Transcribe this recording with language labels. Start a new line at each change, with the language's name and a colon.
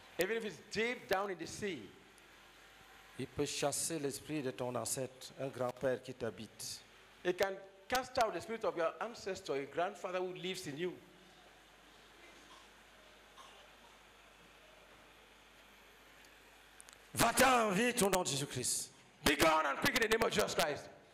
English: Even if it's deep down in the sea.
French: Il peut chasser l'esprit de ton ancêtre, un grand-père qui t'habite.
English: He can cast out the spirit of your ancestor, a grandfather who lives in you.
French: Va-t'en vite au nom de Jésus-Christ.
English: Be gone and quick in the name of Jesus Christ.